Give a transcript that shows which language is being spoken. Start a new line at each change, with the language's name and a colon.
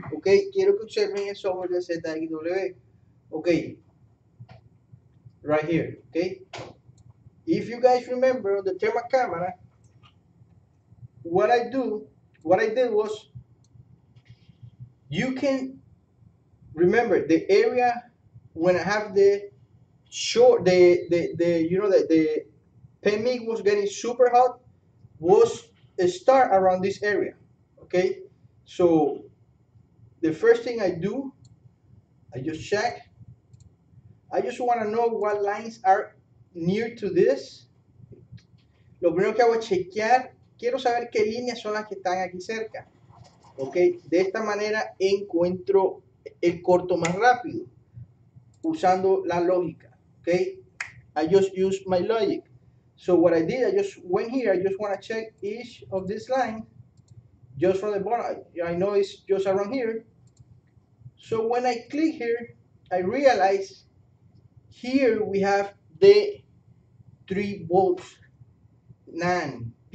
Spanish: Okay, quiero que observen el software de ZXW.
English: Okay, right here. Okay, if you guys remember the thermal camera, what I did was, you can remember the area when I have the short, the PEMIG was getting super hot, was a start around this area. Okay, so the first thing I do, I just check. I just want to know what lines are near to this.
Spanish: Lo primero que hago es chequear. Quiero saber qué líneas son las que están aquí cerca. Ok, de esta manera encuentro el corto más rápido usando la lógica.
English: Ok, I just use my logic. So what I did, I just went here. I just want to check each of this line just from the bottom. I know it's just around here. So when I click here, I realize here we have the 3 volts NAND.